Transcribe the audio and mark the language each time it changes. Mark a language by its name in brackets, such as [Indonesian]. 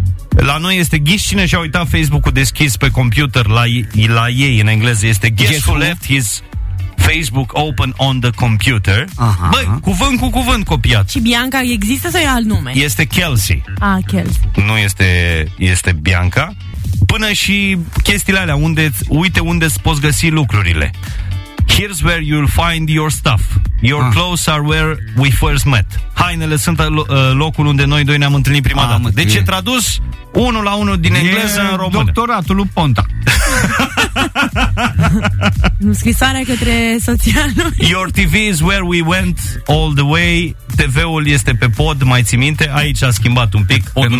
[Romanian] La noi este ghici cine și-a uitat Facebook-ul deschis pe computer, la ei în engleză este [English] guess who left his Facebook open on the computer. [Romanian] Aha. Băi, cuvânt cu cuvânt copiat. Și Bianca există sau e alt nume? Este Kelsey. Kelsey. Nu este Bianca. Până și chestiile alea, uite unde îți poți găsi lucrurile. [English] Here's where you'll find your stuff. Your clothes are where we first met. [Romanian] Hainele sunt locul unde noi doi ne-am întâlnit prima dată. Deci e tradus unul la unul din engleză în română. Doctoratul lui Ponta. Scrisoarea către soția lui. [English] Your TV is where we went all the way. [Romanian] TV-ul este pe pod, mai ții minte? Aici a schimbat un pic.